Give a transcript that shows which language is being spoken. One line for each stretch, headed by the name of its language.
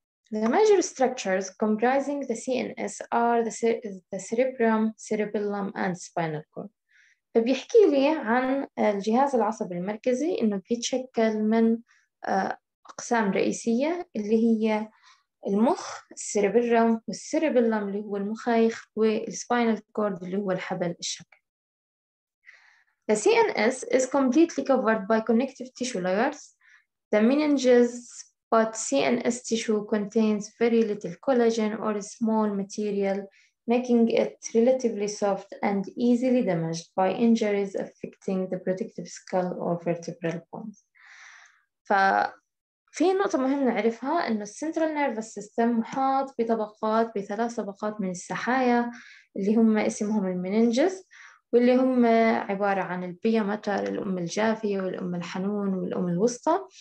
English: The major structures comprising the CNS are the cerebrum, cerebellum and spinal cord.
Arabic: فبيحكي لي عن الجهاز العصبي المركزي انه بيتشكل من اقسام رئيسية اللي هي المخ، السيريبرم والسيريبلم اللي هو المخايخ، والسباينال كورد اللي هو الحبل الشوكي.
English: The CNS is completely covered by connective tissue layers, the meninges, but CNS tissue contains very little collagen or small material, making it relatively soft and easily damaged by injuries affecting the protective skull or vertebral bones.
Arabic: ففي نقطة مهمة نعرفها إنه السنترال نيرفس سيستم محاط بطبقات، بثلاث طبقات من السحايا اللي هم اسمهم المينينجز، واللي هم عبارة عن البيومتر، الأم الجافية والأم الحنون والأم الوسطى.